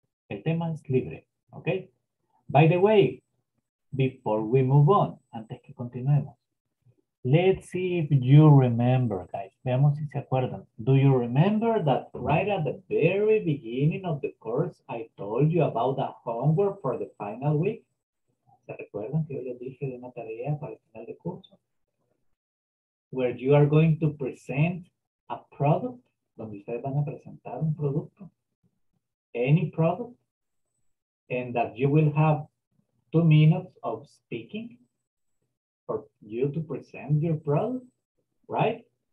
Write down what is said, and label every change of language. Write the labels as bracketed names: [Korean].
[Spanish] El tema es libre, [English] okay? By the way, before we move on, [Spanish] antes que continuemos, [English] let's see if you remember, guys. [Spanish] Veamos si se acuerdan. [English] Do you remember that right at the very beginning of the course, I told you about a homework for the final week? [Spanish] ¿Se recuerdan que yo les dije de una tarea para el final de curso? [English] Where you are going to present a product, [Spanish] donde ustedes van a presentar un producto, [English] any product, and that you will have 2 minutes of speaking for you to present your product, right?